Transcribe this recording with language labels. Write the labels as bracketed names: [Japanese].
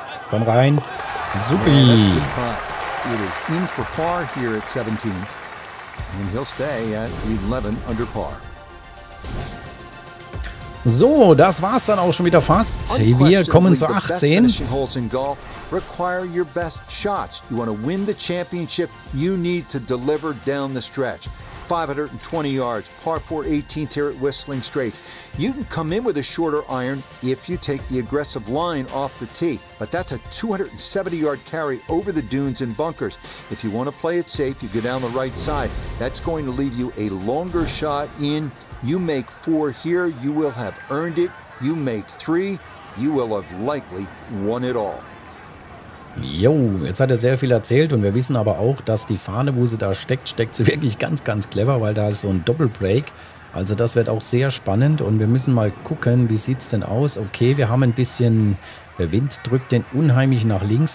[German] Komm rein. Supi. [English] It is in for par here at 17. And he'll stay at 11 under par. [German] So, das war's dann auch schon wieder fast. Wir kommen zu 18. [English] Finishing holes in golf require your best shots. You want to win the championship, you need to deliver down the stretch. 520 yards, par 4, 18th here at Whistling Straits. You can come in with a shorter iron if you take the aggressive line off the tee, but that's a 270-yard carry over the dunes and bunkers. If you want to play it safe, you go down the right side. That's going to leave you a longer shot in. You make four here, you will have earned it. You make three, you will have likely won it all. [German] Jo, jetzt hat er sehr viel erzählt und wir wissen aber auch, dass die Fahne, wo sie da steckt, steckt sie wirklich ganz, ganz clever, weil da ist so ein Doppelbreak. Also das wird auch sehr spannend und wir müssen mal gucken, wie sieht's denn aus. Okay, wir haben ein bisschen, der Wind drückt den unheimlich nach links.